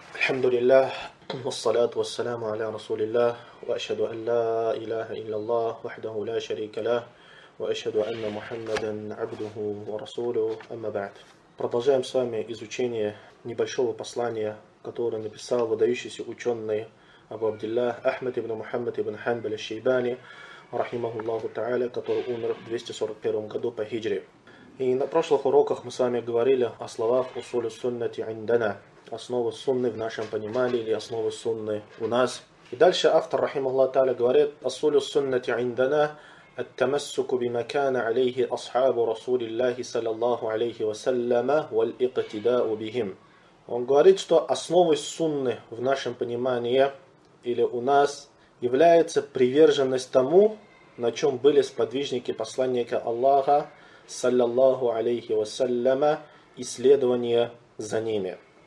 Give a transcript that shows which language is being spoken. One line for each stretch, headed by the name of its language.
Arabic: الحمد لله والصلاة والسلام على رسول الله وأشهد أن لا إله إلا الله وحده لا شريك له وأشهد أن محمدا عبده ورسوله أما بعد.
Russian: Продолжаем с вами изучение небольшого послания, которое написал выдающийся ученый Абу Абдиллах Ахмад ибн Мухаммад ибн Ханбаль аш-Шейбани, рахимаху Аллаху Та'аля, который умер в 241 году по хиджре. И на прошлых уроках мы с вами говорили о словах
Arabic: «Усулю суннати индана»,
Russian: основы сунны в нашем понимании или основы сунны у нас. И дальше автор, рахимаху Та'аля, говорит «Усулю суннати индана»
Arabic: التمسك بما كان عليه أصحاب رسول الله صلى الله عليه وسلم والاقتداء بهم.
Russian: Он говорит, что основой сунны в нашем понимании или у нас является приверженность тому, на чем были сподвижники посланника Аллаха
Arabic: صلى الله عليه وسلم
Russian: и следование за ними.